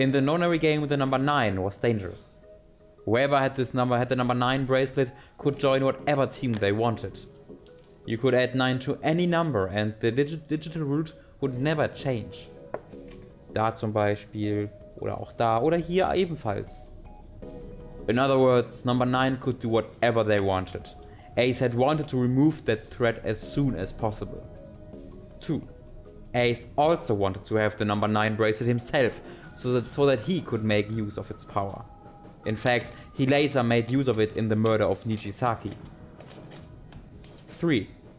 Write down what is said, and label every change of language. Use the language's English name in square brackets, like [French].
[English] In the nonary game, the number 9 was dangerous. Whoever had this number had the number 9 bracelet could join whatever team they wanted. You could add 9 to any number and the digital route would never change. [German] Da zum Beispiel, oder auch da, oder hier ebenfalls. [English] In other words, number 9 could do whatever they wanted. Ace had wanted to remove that threat as soon as possible. 2. Ace also wanted to have the number 9 bracelet himself, so that he could make use of its power. In fact, he later made use of it in the murder of Nijisaki. 3.